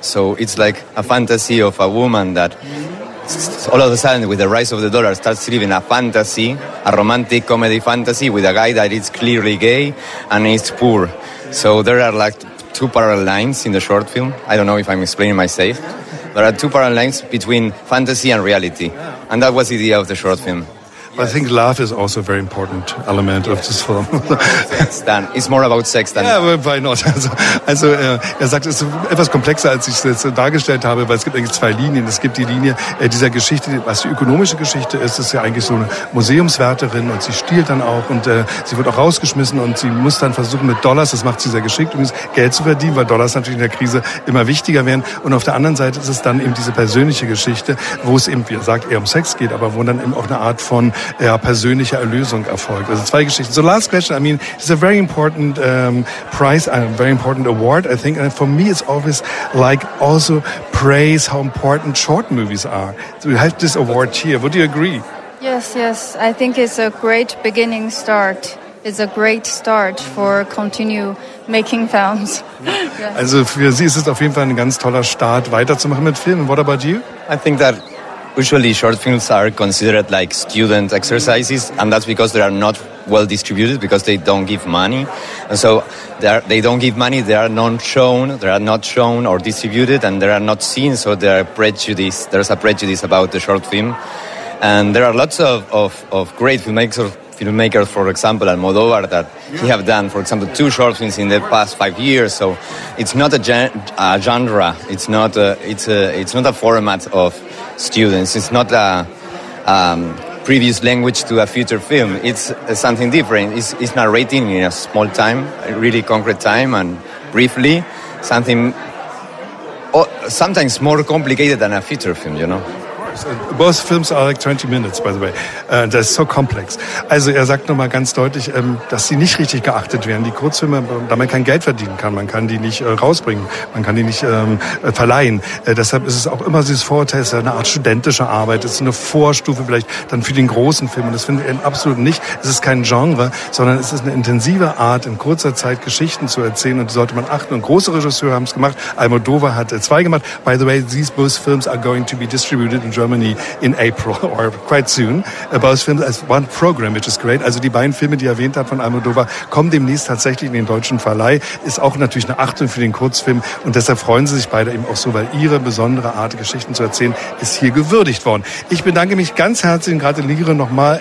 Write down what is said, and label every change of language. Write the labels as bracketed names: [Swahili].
[English] So it's like a fantasy of a woman that... Mm-hmm. All of a sudden, with the rise of the dollar, starts living a fantasy, a romantic comedy fantasy with a guy that is clearly gay and is poor. So there are like two parallel lines in the short film. I don't know if I'm explaining myself. There are two parallel lines between fantasy and reality. And that was the idea of the short film. Yes. I think love is also a very important element of this film. It's more about sex than... Ja, yeah, why not? [German] Also er sagt, es ist etwas komplexer, als ich es jetzt dargestellt habe, weil es gibt eigentlich zwei Linien. Es gibt die Linie dieser Geschichte, was die ökonomische Geschichte ist. Es ist ja eigentlich so eine Museumswärterin und sie stiehlt dann auch und sie wird auch rausgeschmissen und sie muss dann versuchen mit Dollars, das macht sie sehr geschickt, um Geld zu verdienen, weil Dollars natürlich in der Krise immer wichtiger werden. Und auf der anderen Seite ist es dann eben diese persönliche Geschichte, wo es eben, wie er sagt, eher um Sex geht, aber wo dann eben auch eine Art von persönliche Erlösung erfolgt. Also zwei Geschichten. [English] So last question, I mean, it's a very important prize, a very important award, I think. And for me, it's always like also praise how important short movies are. So we have this award here. Would you agree? Yes. I think it's a great beginning start. It's a great start for continue making films. [German] Also für Sie ist es auf jeden Fall ein ganz toller Start, weiterzumachen mit Filmen. [English] What about you? I think that usually short films are considered like student exercises, and that's because they are not well distributed, because they don't give money. And so they don't give money, they are not shown, they are not shown or distributed, and they are not seen, so they are prejudiced. There's a prejudice about the short film. And there are lots of great filmmakers, for example, Almodóvar, that he have done, for example, two short films in the past 5 years. So it's not a genre, it's not a format of students. It's not a previous language to a future film. It's something different. It's narrating in a small time, a really concrete time, and briefly, something sometimes more complicated than a feature film, you know. Both films are like 20 minutes, by the way. That's so complex. [German] Also er sagt nochmal ganz deutlich, dass sie nicht richtig geachtet werden. Die Kurzfilme, da man kein Geld verdienen kann, man kann die nicht rausbringen, man kann die nicht verleihen. Deshalb ist es auch immer dieses Vorurteil, es ist eine Art studentische Arbeit, es ist eine Vorstufe vielleicht dann für den großen Film. Und das finde ich absolut nicht. Es ist kein Genre, sondern es ist eine intensive Art, in kurzer Zeit Geschichten zu erzählen. Und die sollte man achten. Und große Regisseure haben es gemacht. Almodóvar hat zwei gemacht. [English] By the way, these both films are going to be distributed in Germany in April or quite soon. Both films as one program, which is great. [German] Also die beiden Filme, die er erwähnt hat von Almodóvar, kommen demnächst tatsächlich in den deutschen Verleih. Ist auch natürlich eine Achtung für den Kurzfilm und deshalb freuen sie sich beide eben auch so, weil ihre besondere Art, Geschichten zu erzählen, ist hier gewürdigt worden. Ich bedanke mich ganz herzlich und gratuliere nochmal.